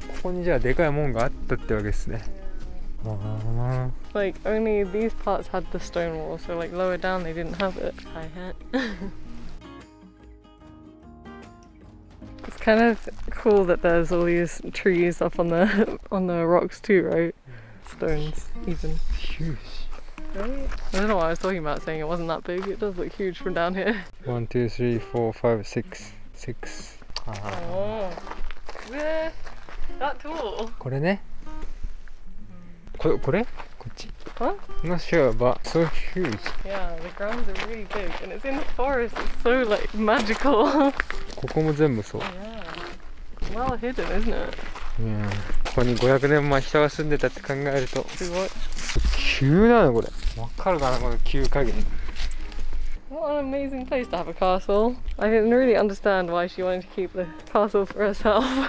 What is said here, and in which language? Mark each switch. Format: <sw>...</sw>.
<ja>ここにじゃあでかい門があったってわけですね。</ja> <en>Like only these parts had the stone wall, so like lower down they didn't have it. I had. Kind of cool that there's all these trees up on the rocks too, right? Stones, even. Huge. I don't know what I was talking about saying it wasn't that big. It does look huge from down here. 1, 2, 3, 4, 5, 6. Oh, yeah. That tall.</en> <ja>これね。これ?こっち? Huh?</ja> <en>I'm not sure, but so huge. Yeah, the grounds are really big, and it's in the forest. It's so like magical.</en> <ja>ここも全部そう。</ja> <en>Well hidden, isn't it? Yeah.</en> <ja>ここに500年前人が住んでたって考えると。すごい。急なのこれ。わかるかなこの急加減。</ja> <en>What an amazing place to have a castle. I didn't really understand why she wanted to keep the castle for herself.</en>